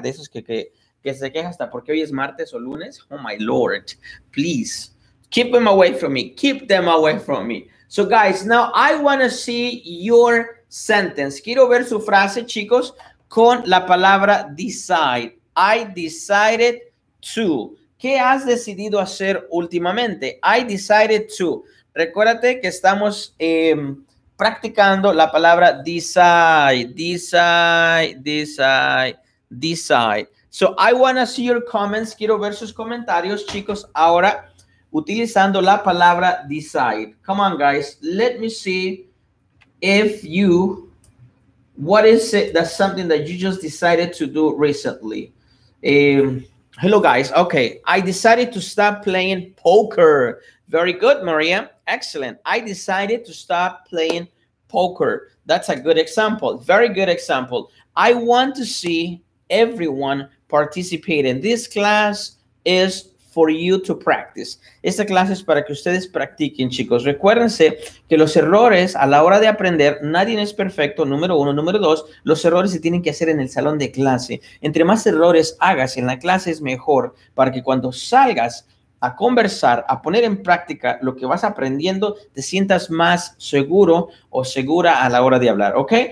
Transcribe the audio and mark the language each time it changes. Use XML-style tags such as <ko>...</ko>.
<es>De esos que se queja hasta porque hoy es martes o lunes.</es> <en>Oh, my Lord. Please. Keep them away from me. Keep them away from me. So, guys, now I want to see your sentence.</en> <es>Quiero ver su frase, chicos, con la palabra decide.</es> <en>I decided to.</en> <es>¿Qué has decidido hacer últimamente?</es> <en>I decided to.</en> <es>Recuérdate que estamos practicando la palabra decide.</es> <en>So, I want to see your comments.</en> <es>Quiero ver sus comentarios, chicos, ahora utilizando la palabra decide.</es> <en>Come on, guys. Let me see if you, what is it that's something that you just decided to do recently? Hello, guys. Okay. I decided to stop playing poker. Very good, Maria. Excellent. I decided to stop playing poker. That's a good example. Very good example. I want to see everyone participate in this class is for you to practice.</en> <es>Esta clase es para que ustedes practiquen, chicos. Recuérdense que los errores a la hora de aprender, nadie es perfecto, número uno. Número dos, los errores se tienen que hacer en el salón de clase. Entre más errores hagas en la clase es mejor para que cuando salgas a conversar, a poner en práctica lo que vas aprendiendo, te sientas más seguro o segura a la hora de hablar, ¿ok?</es>